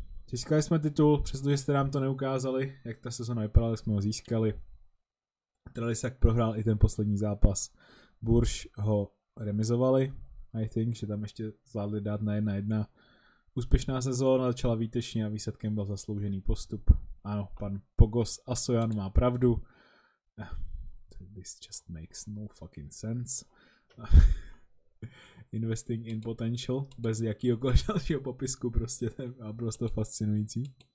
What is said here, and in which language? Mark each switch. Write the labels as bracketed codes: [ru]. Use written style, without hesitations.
[cs] Získali jsme titul, přestože jste nám to neukázali, jak ta sezona vypadala, jsme ho získali. Trelisak prohrál i ten poslední zápas. Bourges ho remizovali, [en] I think, [cs] že tam ještě zvládli dát na 1-1. Úspěšná sezóna začala výtečně a výsledkem byl zasloužený postup. Ano, pan Pogos Asoyan má pravdu. [en] This just makes no fucking sense. [cs] Investing in potential, bez jakýhokoliv dalšího popisku, prostě to je prosto fascinující.